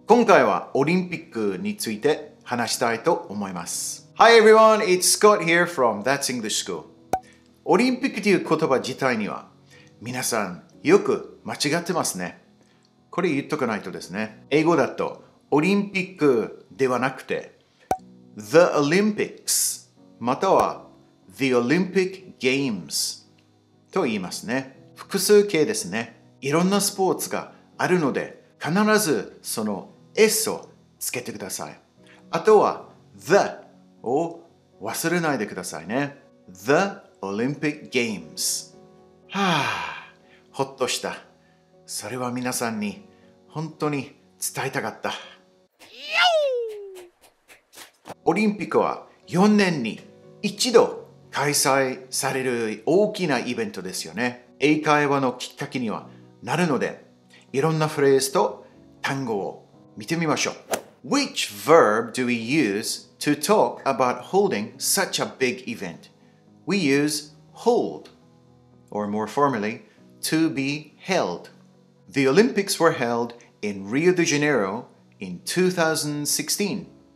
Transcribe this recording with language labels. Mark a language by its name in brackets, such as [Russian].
[Japanese] 今回はオリンピックについて話したいと思います。 [English] Hi everyone, it's Scott here from That's English School. [Japanese] オリンピックという言葉自体には皆さんよく間違ってますね。これ言っとかないとですね。英語だとオリンピックではなくて The Olympics または The Olympic Games と言いますね。複数形ですね。いろんなスポーツがあるので必ずその S をつけてください。あとは The を忘れないでくださいね。 The Olympic Games。 はあ、ほっとした。それは皆さんに本当に伝えたかった。オリンピックは4年に一度開催される大きなイベントですよね。英会話のきっかけにはなるので、いろんなフレーズと単語を見てみましょう。 [English] Which verb do we use to talk about holding such a big event? We use hold, or more formally, to be held. The Olympics were held in Rio de Janeiro in 2016.